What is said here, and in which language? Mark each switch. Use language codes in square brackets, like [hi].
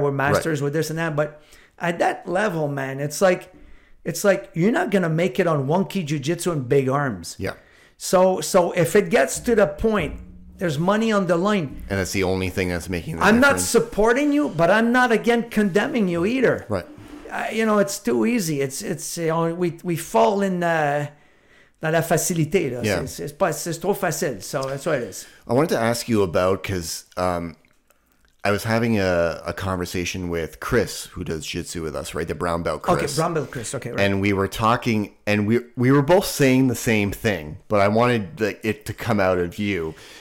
[en] We're masters right. with this and that. But at that level, man, it's like you're not going to make it on wonky jiu-jitsu and big arms. Yeah. So if it gets to the point, there's money on the line. And that's the only thing that's making the I'm difference. Not supporting you, but I'm not, again, condemning you either. Right. You know, it's too easy. It's you know, we fall in [fr] dans la facilité. [en] Là. Yeah. [fr] C'est trop facile. [en] So that's what it is. I wanted to ask you about, because I was having a conversation with Chris, who does jiu-jitsu with us, right? The brown belt Chris. Okay, brown belt Chris. Okay, right. And we were talking, and we were both saying the same thing, but I wanted it to come out of you.